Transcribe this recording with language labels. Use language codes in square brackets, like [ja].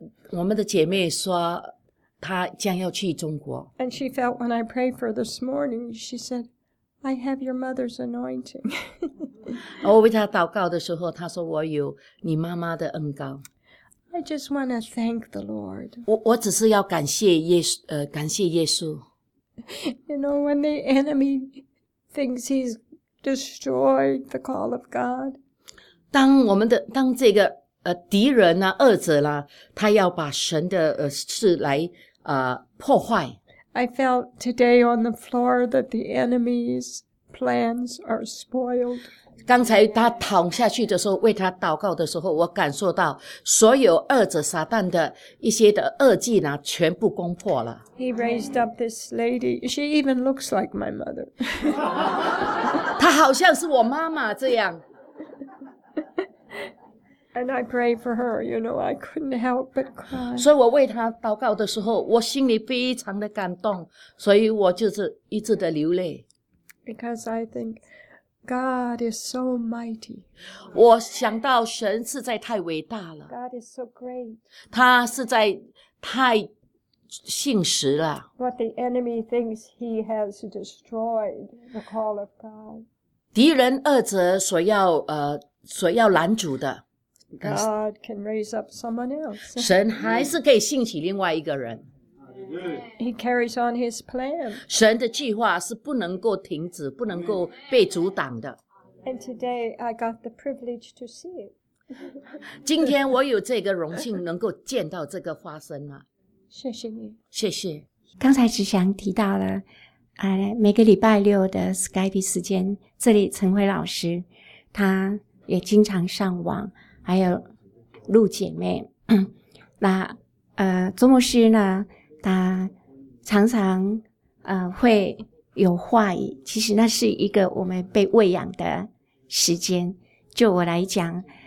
[zh] 我们的姐妹说她将要去中国。 [en] And she felt when I prayed for her this morning, she said, I have your mother's anointing. [zh] 我为她祷告的时候，她说我有你妈妈的恩膏。 [en] I just want to thank the Lord. [zh] 我只是要感谢耶稣，感谢耶稣。 [en] You know, when the enemy thinks he's destroy the call of God. [zh] 当我们的当这个敌人啊恶者啦、啊、他要把神的事来破坏。 [en] I felt today on the floor that the enemy's plans are spoiled. [zh] 刚才他躺下去的时候为他祷告的时候我感受到所有恶者撒旦的一些的恶计呢全部攻破了。 [en] He raised up this lady. She even looks like my mother. [zh] 他好像是我妈妈这样。 [en] And I pray for her, you know, I couldn't help but cry. [zh] 所以我为她祷告的时候我心里非常的感动所以我就是一直的流泪。 [en] Because I think God is so mighty. [zh] 我想到神实在太伟大了。 [en] God is so great. [zh] 他实在太信实了。 [en] What the enemy thinks he has destroyed the call of God. [zh] 敌人恶者所要所要拦阻的。 [en] God can raise up someone else. [zh] 神还是可以兴起另外一个人。 [en] He carries on his plan. [zh] 神的计划是不能够停止，不能够被阻挡的。 [en] And today I got the privilege to see it. [zh] 今天我有这个荣幸能够见到这个发生了。谢谢你。谢谢。刚才执祥提到了，每个礼拜六的 Skype 时间，这里陈辉老师，他也经常上网。还有陆姐妹那周牧师呢他常常会有话语其实那是一个我们被喂养的时间就我来讲